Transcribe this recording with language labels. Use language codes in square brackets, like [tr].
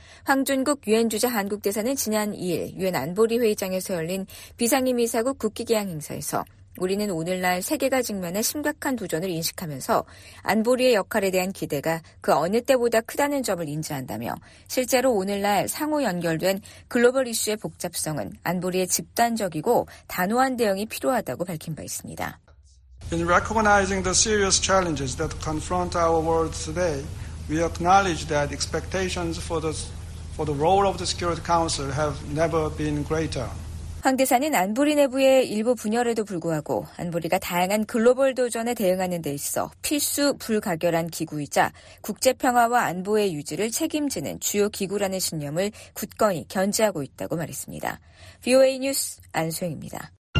[ko] 황준국 유엔 주재 한국 대사는 지난 2일 유엔 안보리 회의장에서 열린 비상임이사국 국기 개양 행사에서 우리는 오늘날 세계가 직면한 심각한 도전을 인식하면서 안보리의 역할에 대한 기대가 그 어느 때보다 크다는 점을 인지한다며 실제로 오늘날 상호 연결된 글로벌 이슈의 복잡성은 안보리의 집단적이고 단호한 대응이 필요하다고 밝힌 바 있습니다. [en] In recognizing the serious challenges that confront our world today, we acknowledge that expectations for the role of the Security Council have never been greater. [ko] 황 대사는 안보리 내부의 일부 분열에도 불구하고 안보리가 다양한 글로벌 도전에 대응하는 데 있어 필수 불가결한 기구이자 국제평화와 안보의 유지를 책임지는 주요 기구라는 신념을 굳건히 견지하고 있다고 말했습니다. VOA 뉴스 안소영입니다.